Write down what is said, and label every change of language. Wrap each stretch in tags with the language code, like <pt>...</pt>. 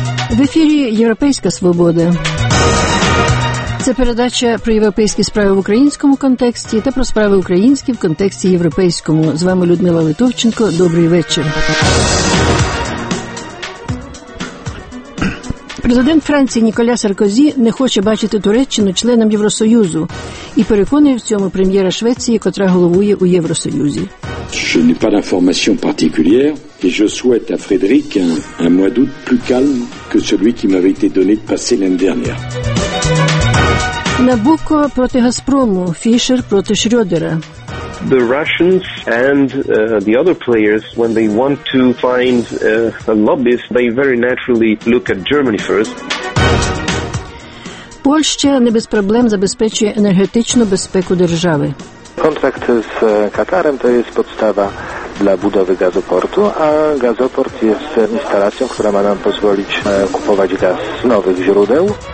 <uk>В ефірі «Європейська свобода». Це передача про європейські справи в українському контексті та про справи українські в контексті європейському. З вами Людмила Литовченко. Добрий вечір. Президент Франції Ніколя Саркозі не хоче бачити Туреччину членом Євросоюзу і переконує в цьому прем'єра Швеції, котра головує у Євросоюзі.</uk> <fr>Je n'ai pas d'informations particulières et je souhaite à Frédéric un mois d'août plus calme que celui qui m'avait été donné de passer l'année dernière.</fr> <uk>Набуко проти Газпрому, Фішер проти Шрьодера.</uk> <en>The Russians and the other players, when they want to find a lobbyist, they very naturally look at Germany first.</en> <uk>Польща не без проблем забезпечує енергетичну безпеку держави. Контракт з Катарем то є підстава для будови газопорту, а газопорт є інсталацією, яка має нам дозволити купувати газ з нових джерел.</uk>